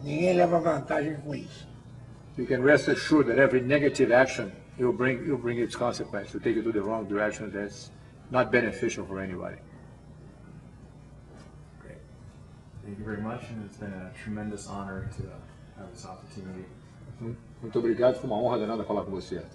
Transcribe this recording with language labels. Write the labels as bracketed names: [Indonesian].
[Portuguese] Ninguém leva vantagem com isso. [English] You can rest assured that every negative action will bring its consequences. Will take you to the wrong direction. That's not beneficial for anybody. Great. Thank you very much, and it's been a tremendous honor to have this opportunity. [Portuguese] Muito obrigado, foi uma honra danada falar com você.